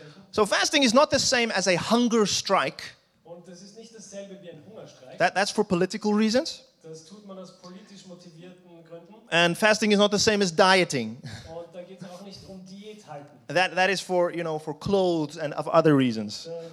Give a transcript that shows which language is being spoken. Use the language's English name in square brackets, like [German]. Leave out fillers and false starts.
[English] So fasting is not the same as a hunger strike. [German] Und das ist nicht dasselbe wie ein Hungerstreik. [English] That's for political reasons. [German] Das tut man aus politisch motivierten Gründen. [English] And fasting is not the same as dieting. [German] Und da geht's auch nicht um Diät halten. [English] That is for, you know, for clothes and of other reasons.